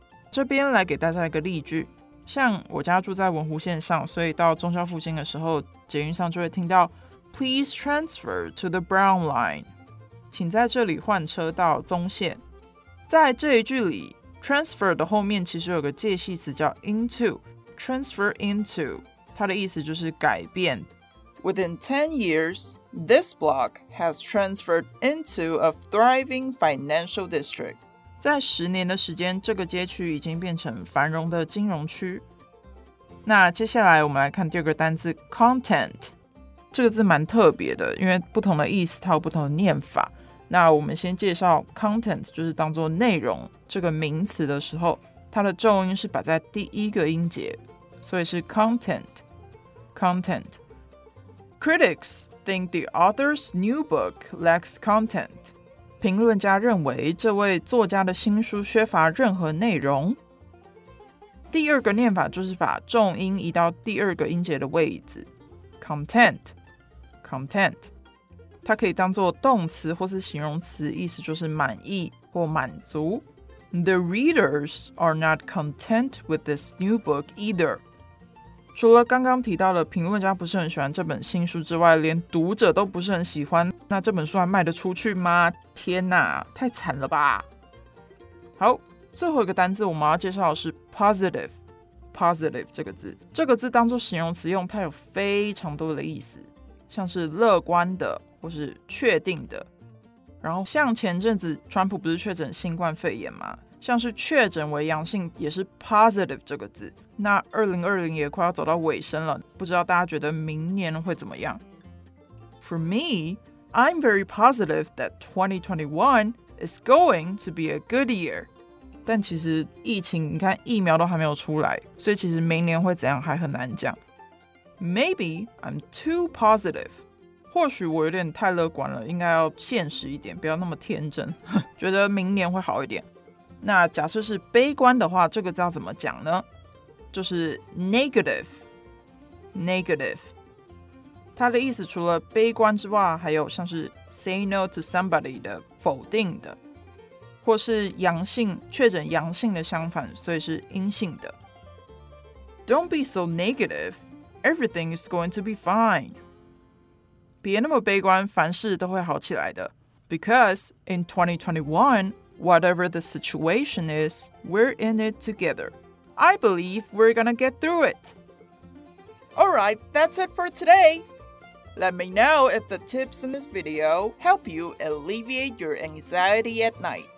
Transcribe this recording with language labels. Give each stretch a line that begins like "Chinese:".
Chinese: 这边来给大家一个例句，像我家住在文湖线上，所以到忠孝附近的时候，捷运上就会听到
English: Please transfer to the Brown Line，
Chinese: 请在这里换车到棕线。在这一句里 transfer 的后面其实有个介系词叫 intoTransfer into， 它的意思就是改变。
English: Within 10 years, this block has transferred into a thriving financial district.
Chinese: 在十年的时间，这个街区已经变成繁荣的金融区。那接下来我们来看第二个单字 content。这个字蛮特别的，因为不同的意思它有不同的念法。那我们先介绍 content， 就是当作内容这个名词的时候。它的重音是摆在第一个音节，所以是 content。
English: Critics think the author's new book lacks content.
Chinese: 评论家认为这位作家的新书缺乏任何内容。第二个念法就是把重音移到第二个音节的位置， content。它可以当作动词或是形容词，意思就是满意或满足。
English: The readers are not content with this new book either.
Chinese: 除了刚刚提到的评论家不是很喜欢这本新书之外，连读者都不是很喜欢，那这本书还卖得出去吗？天哪，太惨了吧。好，最后一个单字我们要介绍的是 positive。 positive 这个字，这个字当作形容词用，它有非常多的意思，像是乐观的或是确定的。然后像前阵子川普不是确诊新冠肺炎吗？像是确诊为阳性也是 positive 这个字。那2020也快要走到尾声了，不知道大家觉得明年会怎么样？
English: For me, I'm very positive that 2021 is going to be a good year.
Chinese: 但其实疫情，你看疫苗都还没有出来，所以其实明年会怎样还很难讲。
English: Maybe I'm too positive.
Chinese: 或许我有点太乐观了，应该要现实一点，不要那么天真，觉得明年会好一点。那假设是悲观的话，这个字要怎么讲呢？就是 negative， negative。它的意思除了悲观之外，还有像是
English: say no to somebody
Chinese: 的否定的，或是阳性确诊阳性的相反，所以是阴性的。
English: Don't be so negative, everything is going to be fine.
Chinese: 别那么悲观，凡事都会好起来的。
English: Because in 2021,Whatever the situation is, we're in it together. I believe we're gonna get through it. Alright, that's it for today. Let me know if the tips in this video help you alleviate your anxiety at night.